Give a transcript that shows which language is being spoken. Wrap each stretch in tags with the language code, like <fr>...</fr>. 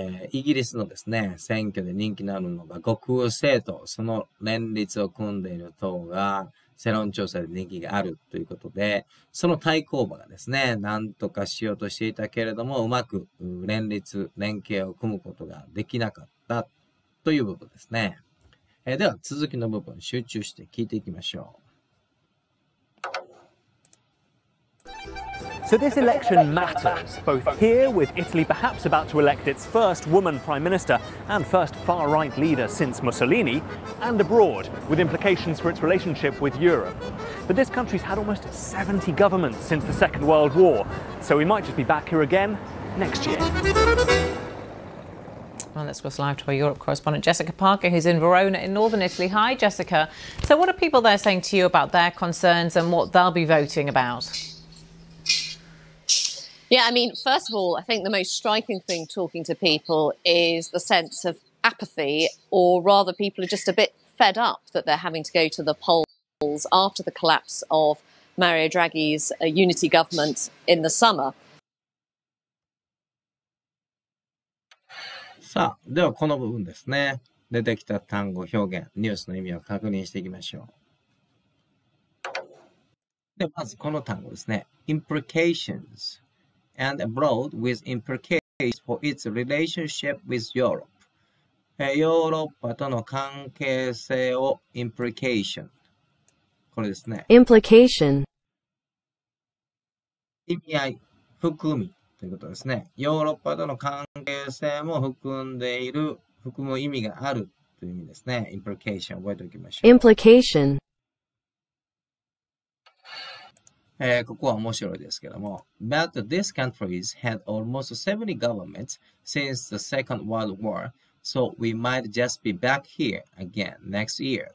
<ja>イギリスのですね、選挙で人気になるのが極右政党、その連立を組んでいる党が世論調査で人気があるということで、その対抗馬がですね、なんとかしようとしていたけれども、うまく連立、連携を組むことができなかったという部分ですね。では、続きの部分、集中して聞いていきましょう。</ja> <en>So this election matters, both here with Italy perhaps about to elect its first woman prime minister and first far-right leader since Mussolini, and abroad with implications for its relationship with Europe. But this country's had almost 70 governments since the Second World War, so we might just be back here again next year. Well, that's what's live to our Europe correspondent Jessica Parker, who's in Verona in northern Italy. Hi, Jessica. So what are people there saying to you about their concerns and what they'll be voting about? Yeah, I mean, first of all, I think the most striking thing talking to people is the sense of apathy, or rather people are just a bit fed up that they're having to go to the polls after the collapse of Mario Draghi's unity government in the summer.</en> <ja>さあ、ではこの部分ですね。出てきた単語表現、ニュースの意味を確認していきましょう。で、まずこの単語ですね。</ja> <en>Implications. And abroad with implications for its relationship with Europe.</en> <ja>ヨーロッパとの関係性を implication。これですね。</ja> <en>Implication。</en> <ja>意味合い、含みということですね。ヨーロッパとの関係性も含む意味があるという意味ですね。 Implication。 覚えておきましょう。</ja> <en>Implication。</en> <ja>ここは面白いですけども。</ja> <en>But this country's had almost 70 governments since the Second World War, so we might just be back here again next year.</en>